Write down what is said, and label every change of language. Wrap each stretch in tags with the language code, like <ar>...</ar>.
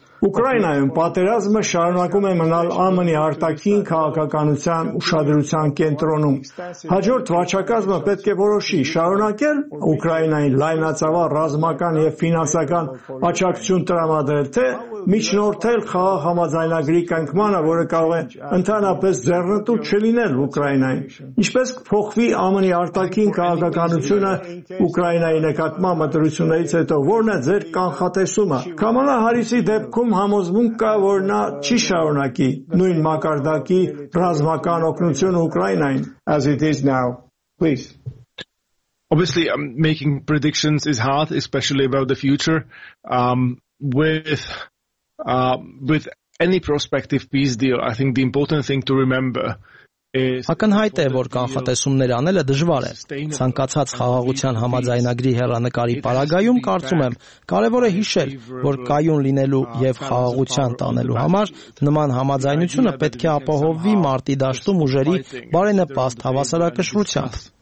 <hy>Ուկրաինայում պատերազմը շարունակում է մնալ ԱՄՆ-ի արտաքին քաղաքականության ուշադրության կենտրոնում։ Հաջորդ վարչակազմը պետք է որոշի շարունակել Ուկրաինային լայնածավալ ռազմական եւ ֆինանսական աջակցություն տրամադրել, թե միջնորդել խաղաղ համաձայնագրի կնքմանը, որը կարող է ընդհանրապես ձեռնտու չլինել Ուկրաինային։ Ինչպես կփոխվի ԱՄՆ-ի արտաքին քաղաքականությունը Ուկրաինայի նկատմամբ մտրություններից հետո, որն է ձեր կանխատեսումը։ Կամալա Հարիսի դեպքում համոզվում կա, որ նա չի շարունակի նույն մակարդակի ռազմական օգնությունը Ուկրաինային,</hy> <en>as it is now. Please. Obviously, making predictions is hard, especially about the future. With any prospective peace deal, I think the important thing to remember.</en> <hy>Ակնհայտ է, որ կանխատեսումներ անելը դժվար է։ Ցանկացած խաղաղության համաձայնագրի հեռանկարի պարագայում կարծում եմ կարևոր է հիշել, որ կայուն լինելու եւ խաղաղության տանելու համար նման համաձայնությունը պետք է ապահովվի մարտի դաշտում ուժերի բարենպաստ հավասարակշռությամբ։</hy>